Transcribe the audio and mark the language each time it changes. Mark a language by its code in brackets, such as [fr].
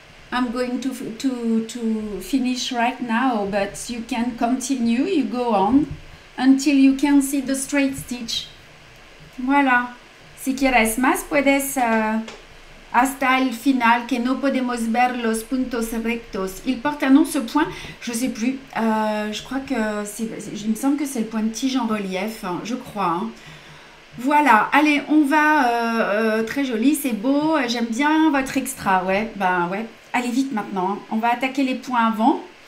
[en] I'm going to finish right now, but you can continue, you go on, until you can see the straight stitch. [fr] Voilà. [es] Si quieres más, puedes hasta el final, que no podemos ver los puntos rectos. [fr] Il porte un nom, ce point, je ne sais plus. Je crois que il me semble que c'est le point de tige en relief, hein, je crois. Hein. Voilà, allez, on va, très joli, c'est beau, j'aime bien votre extra, ouais, ben ouais. Allez, vite maintenant, hein. On va attaquer les points avant.